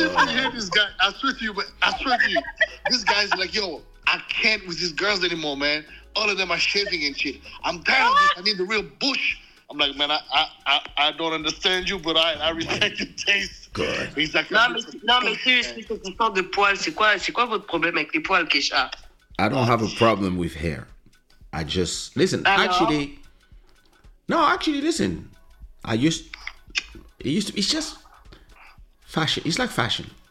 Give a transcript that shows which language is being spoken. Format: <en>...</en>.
<en>If you hear this guy, I swear to you, this guy's like, yo, I can't with these girls anymore, man. All of them are shaving and shit. I'm tired of this. I need the real bush. I'm like, man, I don't understand you, but I respect your taste. God. He's like,</en> <fr>non, mais seriously, c'est quoi de poils? C'est quoi votre problème avec les poils, Kesha?</fr> <en>I don't have a problem with hair. I just, listen, Hello? Actually, no, actually, listen, I used, it used to, it's just fashion, it's like fashion.</en>